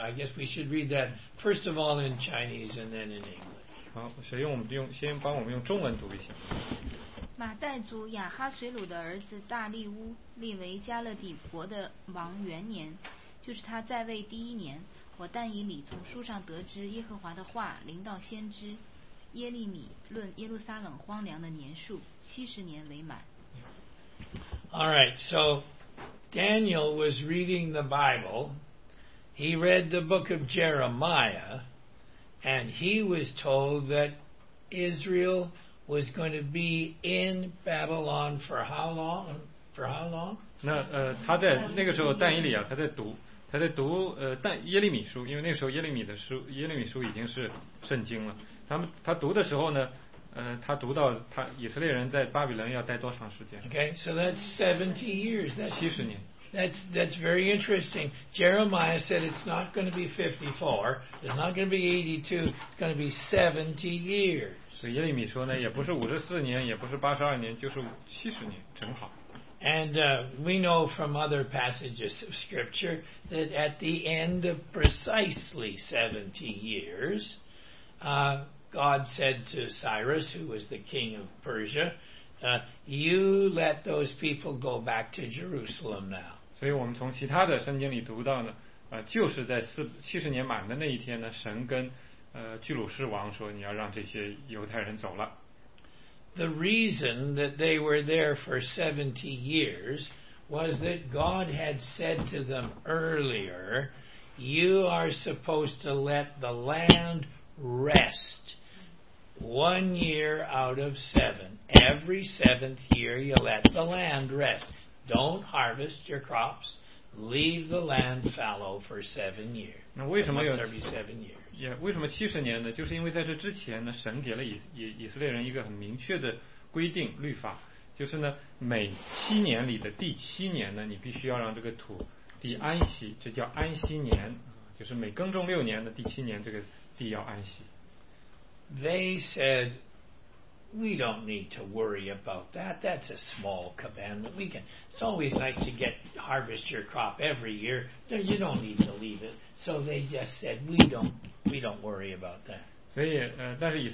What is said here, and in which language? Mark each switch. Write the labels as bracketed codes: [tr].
[en] I guess we should read that first of all in Chinese and then in English. [zh] 好，谁用我们用先帮我们用中文读一下。马代族亚哈水鲁的儿子大利乌立为加勒底国的王元年，就是他在位第一年，我但以理从书上得知耶和华的话临到先知耶利米论耶路撒冷荒凉的年数70年为满。 [en] All right, so Daniel was reading the Bible. He read the book of Jeremiah, and he was told that Israel was going to be in Babylon for how long? For how long? [zh] 那他在那个时候，但以理啊，他在读。他在读但耶利米书，因为那时候耶利米的书，耶利米书已经是圣经了。他读的时候呢，他读到他以色列人在巴比伦要待多长时间 [en] ？Okay, so that's 70 years. [zh] 七十年。 [en] That's very interesting. Jeremiah said it's not going to be 54. It's not going to be 82. It's going to be 70 years. [zh] 所以耶利米说呢，也不是54年，也不是82年，就是70年，正好。 [en] And we know from other passages of scripture that at the end of precisely 70 years, God said to Cyrus, who was the king of Persia, you let those people go back to Jerusalem now. [zh] 所以我们从其他的圣经里读到呢，就是在70年满的那一天呢，神跟居鲁士王说，你要让这些犹太人走了。 [en] The reason that they were there for 70 years was that God had said to them earlier, You are supposed to let the land rest 1 year out of seven. Every seventh year you let the land rest. Don't harvest your crops. Leave the land fallow for 7 years. [zh] 那为什么有 [en] 37 years? Yeah, [zh] 为什么70年呢? 就是因为在这之前呢, 神给了以色列人一个很明确的规定律法, 就是呢, 每7年里的第7年呢, 你必须要让这个土地安息, 这叫安息年, 就是每耕种6年的第7年, 这个地要安息。 [en] They said, we don't need to worry about that. That's a small commandment. We can. It's always nice to get harvest your crop every year. You don't need to leave it. So they just said, we don't worry about that.